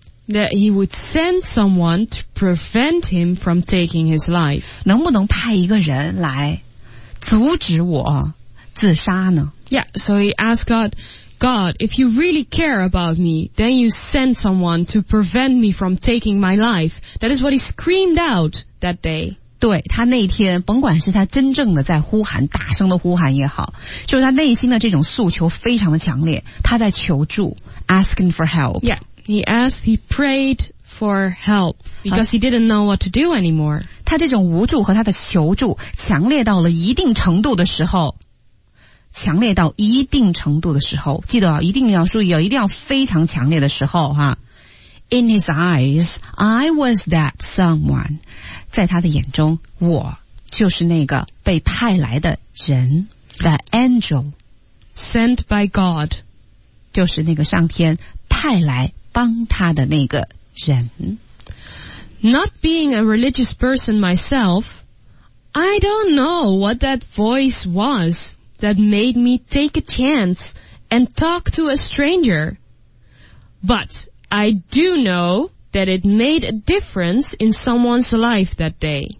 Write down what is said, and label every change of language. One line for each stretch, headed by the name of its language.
English: That he would send someone to prevent him from taking his life.
Chinese: 能不能派一个人来阻止我自杀呢?
English: Yeah, so he asked God, God, if you really care about me, then you send someone to prevent me from taking my life. That is what he screamed out that day.
Chinese: 对，他那天甭管是他真正的在呼喊，大声的呼喊也好，就是他内心的这种诉求非常的强烈，他在求助，
English: asking for help. Yeah, he asked, he prayed for help because he didn't know what to do anymore.
Chinese: 他这种无助和他的求助强烈到了一定程度的时候，强烈到一定程度的时候，记得一定要注意，一定要非常强烈的时候哈。
English: In his eyes, I was that someone.
Chinese: 在他的眼中，我就是那个被派来的人 ，
English: the angel sent by God，
Chinese: 就是那个上天派来帮他的那个人。
English: Not being a religious person myself, I don't know what that voice was. That made me take a chance and talk to a stranger. But I do know that it made a difference in someone's life that day.